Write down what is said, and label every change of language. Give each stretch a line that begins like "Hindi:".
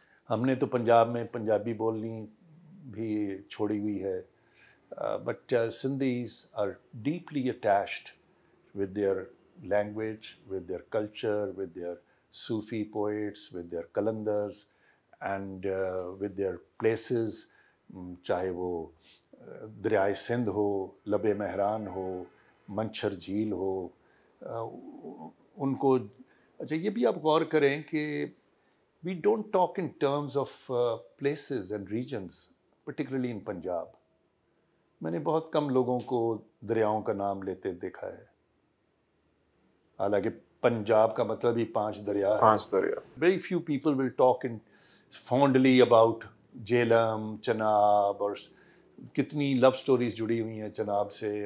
Urdu: ہم نے تو پنجاب میں پنجابی بولنی بھی چھوڑی ہوئی ہے
English: But Sindhis are deeply attached with their language with their culture with their Sufi poets with their qalandars and with their places.
Urdu: چاہے وہ دریائے سندھ ہو لب مہران ہو منچھر جھیل ہو ان کو. اچھا یہ بھی آپ غور کریں کہ
English: we don't talk in terms of places and regions, particularly in Punjab.
Urdu: میں نے بہت کم لوگوں کو دریاؤں کا نام لیتے دیکھا ہے. حالانکہ پنجاب کا مطلب ہی پانچ دریا. پانچ دریا.
English: Very few people will talk in fondly about
Urdu: Jhelum Chenab اور کتنی لو اسٹوریز جڑی ہوئی ہیں چناب سے.